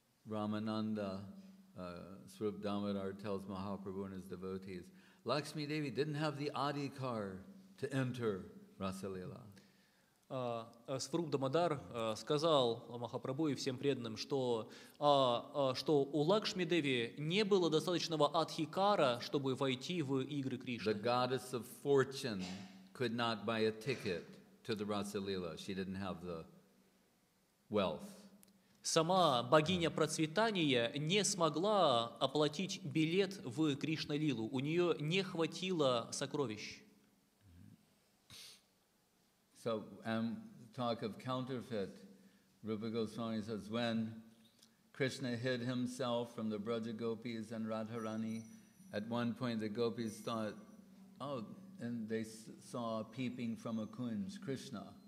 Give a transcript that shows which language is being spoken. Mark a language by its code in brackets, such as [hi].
[en] Рамананда, Сруп Дамодар tells Mahaprabhu and his devotees, Lakshmi Devi didn't have the adhikar to enter Rasalila. [ru] Сруп Дамодар сказал Махапрабху и всем преданным, что у Лакшми Деви не было достаточного адхикара, чтобы войти в игры Кришны. [en] The goddess of fortune could not buy a ticket to the Rasalila. She didn't have the wealth. [ru] Сама богиня процветания не смогла оплатить билет в Кришналилу. У нее не хватило сокровищ. [en] So, talk of counterfeit, Rupa Goswami says, when Krishna hid himself from the Braja Gopis and Radharani, at one point the Gopis thought, oh, and they saw peeping from a kunj, Krishna.